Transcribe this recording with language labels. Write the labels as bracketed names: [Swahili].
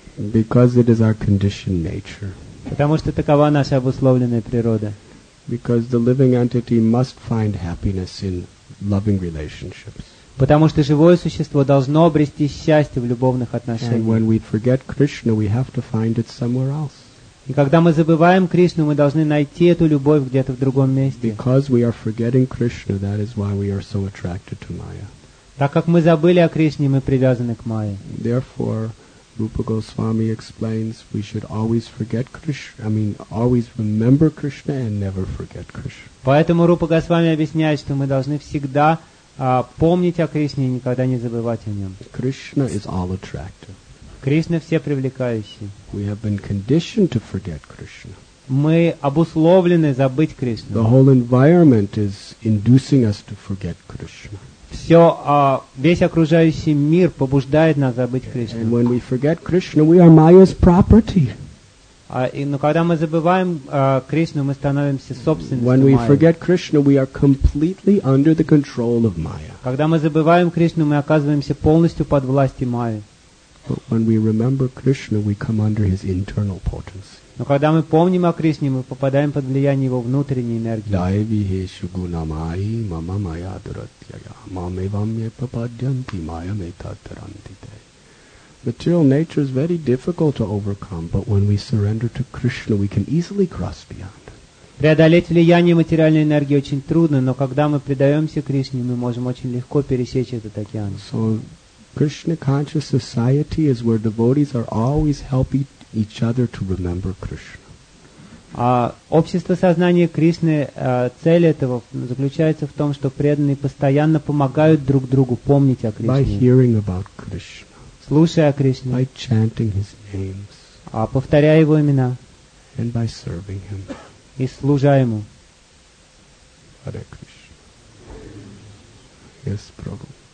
[English] Because it is our conditioned nature. [Russian] Потому что такова наша обусловленная природа. [English] Because the living entity must find happiness in loving relationships. [Russian] Потому что живое существо должно обрести счастье в любовных отношениях. [English] And when we forget Krishna, we have to find it somewhere else. [Russian] И когда мы забываем Кришну, мы должны найти эту любовь где-то в другом месте. [English] Because we are forgetting Krishna, that is why we are so attracted to Maya. [Russian] Так как мы забыли о Кришне, мы привязаны к Майе. [English] Therefore, Rupa Goswami explains, we should always forget Krishna. I mean, always remember Krishna and never forget Krishna. [Russian] Поэтому Рупа Госвами объясняет, что мы должны всегда помнить о Кришне и никогда не забывать о нем. [English] Krishna is all attractive. [Russian] Кришна все привлекающий. [English] We have been conditioned to forget Krishna. [Russian] Мы обусловлены забыть Кришну. [English] The whole environment is inducing us to forget Krishna. [Russian] Все, весь окружающий мир побуждает нас забыть Кришну. [English] And when we forget Krishna, we are Maya's property. [Russian] Но когда мы забываем Кришну, мы становимся собственностью Майи. [English] When we forget Krishna, we are completely under the control of Maya. [Russian] Когда мы забываем Кришну, мы оказываемся полностью под властью Майи. [English] But when we remember Krishna, we come under his internal potency. [Russian] Но когда мы помним о Кришне, мы попадаем под влияние его внутренней энергии. [Sanskrit] Дайвихе шугунамай мама майя дуратьяя мамевамье пападьянти майя метатарантите. [English] Material nature is very difficult to overcome, but when we surrender to Krishna, we can easily cross beyond it. [Russian] Преодолеть влияние материальной энергии очень трудно, но когда мы предаемся Кришне, мы можем очень легко пересечь этот океан. [English] So, Krishna conscious society is where devotees are always helping each other to remember Krishna. [Russian] Общество сознания Кришны, цель этого заключается в том, что преданные постоянно помогают друг другу помнить о Кришне. [English] By hearing about Krishna. [Russian] Слушая Кришну, [English] by chanting his names, [Russian] повторяя его имена, [English] and by serving him, [Russian] и служа ему. [English] Hare Krishna. Yes, Prabhu.